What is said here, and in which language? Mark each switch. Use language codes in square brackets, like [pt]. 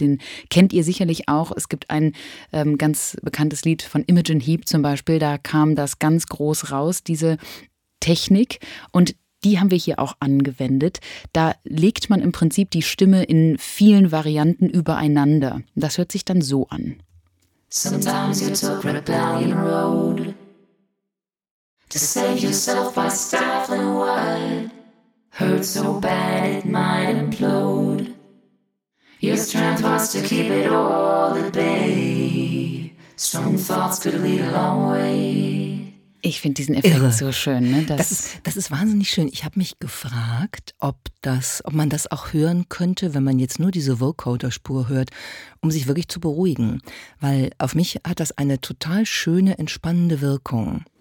[de] Den kennt ihr sicherlich auch. Es gibt ein ganz bekanntes Lied von Imogen Heap zum Beispiel. Da kam das ganz groß raus, diese Technik, und die haben wir hier auch angewendet. Da legt man im Prinzip die Stimme in vielen Varianten übereinander. Das hört sich dann so an. [en] Sometimes you took rebellion road to save yourself by stifling wild. Hurt so bad it might implode. Your strength was to keep it all at bay. Strong thoughts could lead a long way. [de] Ich finde diesen Effekt irre. So schön. Ne? Das ist wahnsinnig schön. Ich habe mich gefragt, ob man das auch hören könnte, wenn man jetzt nur diese Vocoder-Spur hört, um sich wirklich zu beruhigen. Weil auf mich hat das eine total schöne, entspannende Wirkung.